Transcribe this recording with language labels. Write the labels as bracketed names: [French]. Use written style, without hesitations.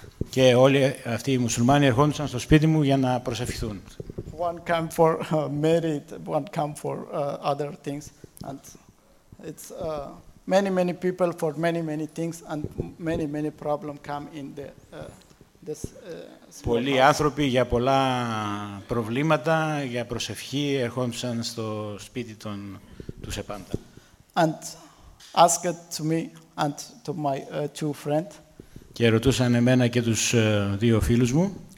[Greek] Και όλοι αυτοί οι μουσουλμάνοι ερχόντουσαν στο σπίτι μου για να προσευχηθούν. [English] One came for merit, one came for other things, and it's many people for many things, and many problem come in the this. [Greek] Πολλοί άνθρωποι για πολλά προβλήματα, για προσευχή ερχόντουσαν στο σπίτι του Σεπάντα. [English] And asked to me and to my two friends. [Greek] Και ρωτούσαν εμένα και τους 2 φίλους μου.